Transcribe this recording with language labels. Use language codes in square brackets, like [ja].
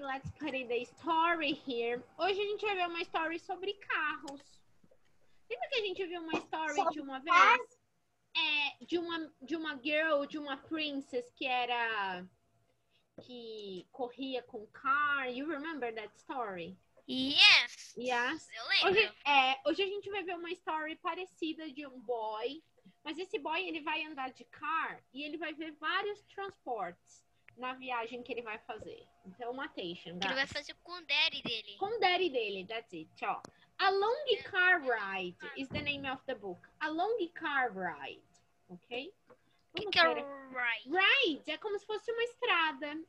[en] Let's put in the story here. [pt] Hoje a gente vai ver uma story sobre carros. Lembra que a gente viu uma story de uma vez? É, de uma girl, de uma princess que era... Que corria com car. [en] You remember that story? Yes. [pt] Eu lembro. Hoje a gente vai ver uma story parecida de um boy. Mas esse boy, ele vai andar de car e ele vai ver vários transportes na viagem que ele vai fazer. Então, uma attention. Ele vai fazer com o daddy dele. Com o daddy dele, [en] that's it. Ó. A long car ride is the name of the book. A long car ride, ok? [pt] Que é ride? Ride é como se fosse uma estrada.